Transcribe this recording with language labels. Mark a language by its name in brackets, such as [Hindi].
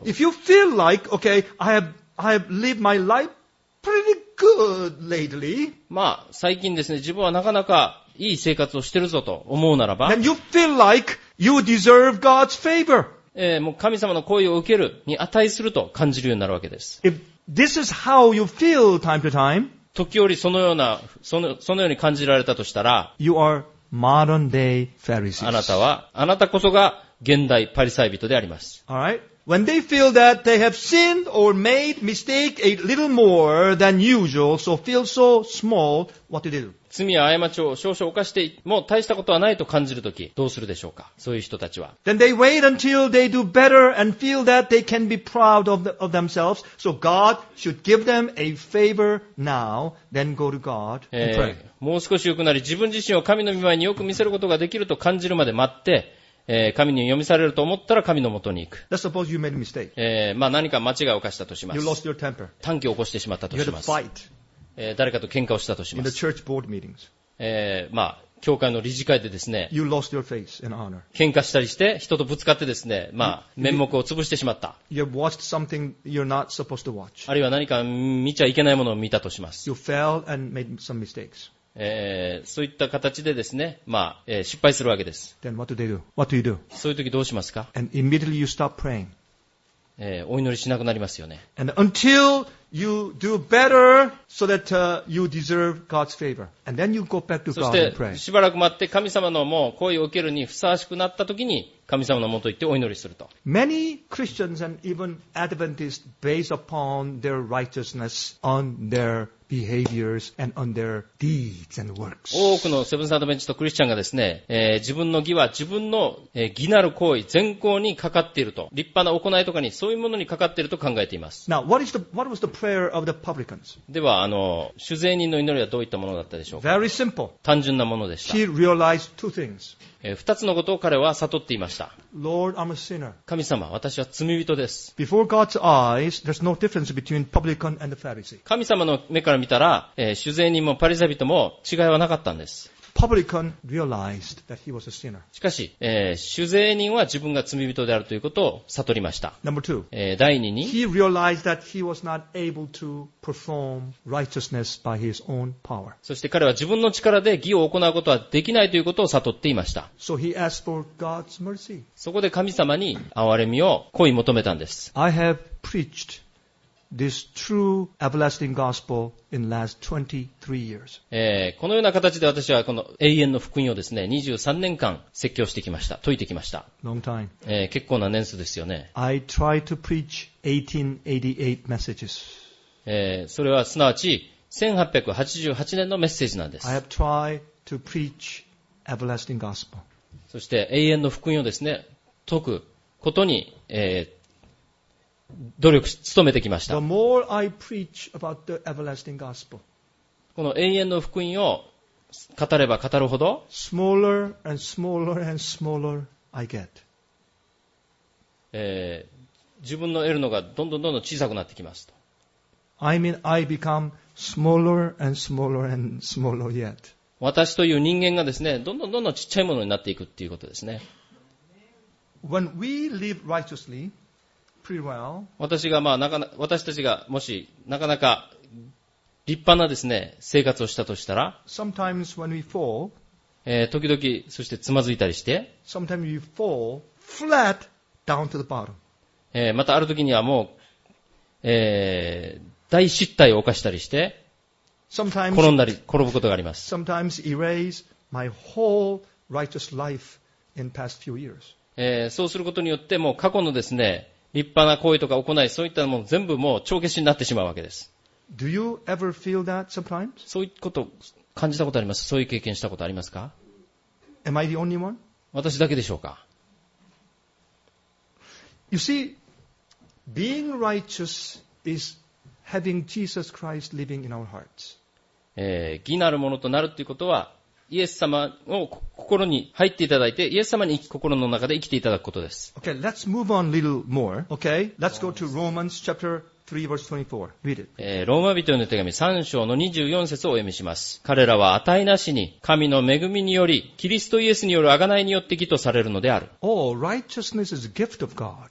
[English] If you feel like, okay, I have lived my life. Pretty good lately. [Japanese] まあ最近ですね、自分はなかなかいい生活をしてるぞと思うならば、 [English] Then you feel like you deserve God's favor. [Japanese] もう神様の好意を受けるに値すると感じるようになるわけです。 [English] If this is how you feel time to time, [Japanese] 時折そのように感じられたとしたら、 [English] You are modern day Pharisees. [Japanese] あなたこそが現代パリサイ人であります。 [English] All right. When they feel that they have sinned or made mistake a little more than usual, so feel so small, what to do? [Japanese] 罪や過ちを少々犯して、もう大したことはないと感じるとき、どうするでしょうか? そういう人たちは。 [English] Then they wait until they do better and feel that they can be proud of themselves, so God should give them a favor now, then go to God and pray. [Japanese] もう少し良くなり、自分自身を神の御前によく見せることができると感じるまで待って、神に読みされると思ったら神の元に行く。 [English] Let's suppose you made a mistake. [Japanese] まあ何か間違いを犯したとします。 [English] You lost your temper. [Japanese] 短気を起こしてしまったとします。 [English] You had a fight. [Japanese] 誰かと喧嘩をしたとします。 [English] In the church board meetings. [Japanese] まあ教会の理事会でですね。 [English] You lost your face and honor. [Japanese] 喧嘩したりして人とぶつかってですね、まあ面目を潰してしまった。 [English] You watched something you're not supposed to watch. [Japanese] あるいは何か見ちゃいけないものを見たとします。 [English] You fell and made some mistakes. [Japanese] そういった形でですね、まあ失敗するわけです。 [English] Then what do they do? What do you do? [Japanese] そういう時どうしますか? [English] And immediately you stop praying. [Japanese] お祈りしなくなりますよね。 [English] And until You do better so that you deserve God's favor. And then you go back to God and pray. [Japanese] しばらく待って神様のもう声を受けるにふさわしくなった時に神様のもと行ってお祈りすると。 [English] Many Christians and even Adventists base upon their righteousness on their behaviors and on their deeds and works. [Japanese] 多くのセブンスアドベンチとクリスチャンがですね、自分の義は自分の義なる行為、善行にかかっていると。立派な行いとかに、そういうものにかかっていると考えています。 [English] Now, what was the prayer of the publicans? [Japanese] では、主税人の祈りはどういったものだったでしょうか。 [English] Very simple. [Japanese] 単純なものでした。 [English] She realized two things. [Japanese] 二つのことを彼は悟っていました。 [English] Lord, I'm a sinner. [Japanese] 神様、私は罪人です。 [English] Before God's eyes, there's no difference between publican and the Pharisee. [Japanese] 神様の目から見たら、主税人もパリサイ人も違いはなかったんです。 [English] Publican realized that he was a sinner. [Japanese] しかし、主税人は自分が罪人であるということを悟りました。 [English] Number two. [Japanese] 第二に、 [English] He realized that he was not able to perform righteousness by his own power. [Japanese] そして彼は自分の力で義を行うことはできないということを悟っていました。 [English] So he asked for God's mercy. [Japanese] そこで神様に憐れみを請い求めたんです。 [English] I have preached this true everlasting gospel. In last 23 years. [Japanese] このような形で私はこの永遠の福音をですね、23年間説教してきました、説いてきました。 [English] Long time. [Japanese] 結構な年数ですよね。 [English] I try to preach 1888 messages. [Japanese] それはすなわち1888年のメッセージなんです。 [English] I have tried to preach everlasting gospel. [Japanese] そして永遠の福音をですね、説くことに、努力し努めてきました。 [English] The more I preach about the everlasting gospel, [Japanese] この永遠の福音を語れば語るほど、 [English] smaller and smaller and smaller I get. [Japanese] 自分の得るのがどんどんどんどん小さくなってきますと。 [English] I mean I become smaller and smaller and smaller yet. [Japanese] 私という人間がですね、どんどんどんどん小さいものになっていくっていうことですね。 [English] When we live righteously. Pretty well. [Japanese] 私がまあなか私たちがもしなかなか立派なですね生活をしたとしたら、 [English] Sometimes when we fall, [Japanese] 時々そしてつまずいたりして、 [English] Sometimes we fall flat down to the bottom. [Japanese] またある時にはもう、大失態を犯したりして、 [English] Sometimes [Japanese] 転んだり転ぶことがあります。 [English] Sometimes erase my whole righteous life in past few years. [Japanese] そうすることによってもう過去のですね。立派な行為とか行い、そういったもの全部もう帳消しになってしまうわけです。 [English] Do you ever feel that sometimes? [Japanese] そういうこと感じたことあります。そういう経験したことありますか。 [English] Am I the only one? [Japanese] 私だけでしょうか。 [English] You see, being righteous is having Jesus Christ living in our hearts. [Japanese] 義なるものとなるということは、イエス様を心に入っていただいて、イエス様に心の中で生きていただくことです。 [English] Okay, let's move on a little more. Okay, let's go to Romans chapter 3 verse 24. Read it. [Japanese] ローマ人への手紙3章の24節をお読みします。彼らは値なしに、神の恵みにより、キリストイエスによる贖いによって義とされるのである。 [English] Oh, righteousness is a gift of God.